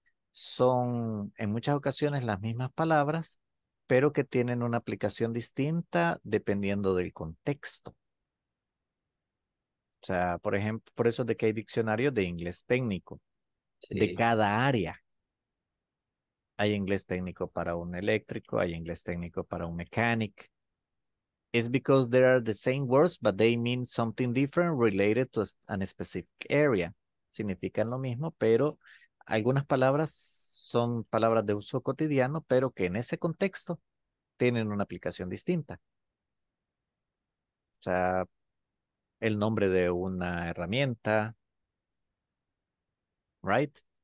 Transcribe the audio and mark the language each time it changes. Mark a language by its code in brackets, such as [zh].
[es] Son en muchas ocasiones las mismas palabras, pero que tienen una aplicación distinta dependiendo del contexto. O sea, por ejemplo, por eso es de que hay diccionarios de inglés técnico, sí. De cada área. Hay inglés técnico para un eléctrico, hay inglés técnico para un mecánico. [en] It's because they are the same words, but they mean something different related to a specific area. [es] Significan lo mismo, pero algunas palabras son palabras de uso cotidiano, pero que en ese contexto tienen una aplicación distinta. O sea, el nombre de una herramienta, right?